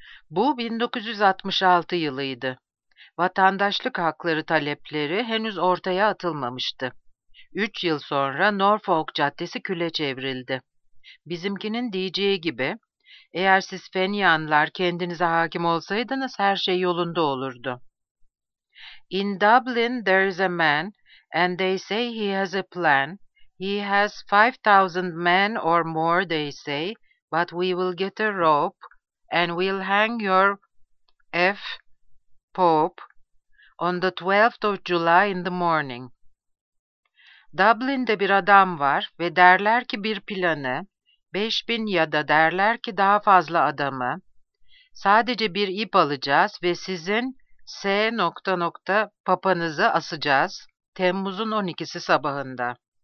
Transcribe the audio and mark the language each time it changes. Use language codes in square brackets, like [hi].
[tr] Bu 1966 yılıydı. Vatandaşlık hakları talepleri henüz ortaya atılmamıştı. 3 yıl sonra Norfolk Caddesi küle çevrildi. Bizimkinin diyeceği gibi, eğer siz Fenianlar kendinize hakim olsaydınız her şey yolunda olurdu. [en] In Dublin there is a man, and they say he has a plan. He has 5,000 men or more, they say, but we will get a rope, and we'll hang your F Pope, on the 12th of July in the morning. [tr] Dublin'de bir adam var ve derler ki bir planı, 5000 ya da derler ki daha fazla adamı, sadece bir ip alacağız ve sizin S. nokta nokta papanızı asacağız Temmuz'un 12'si sabahında.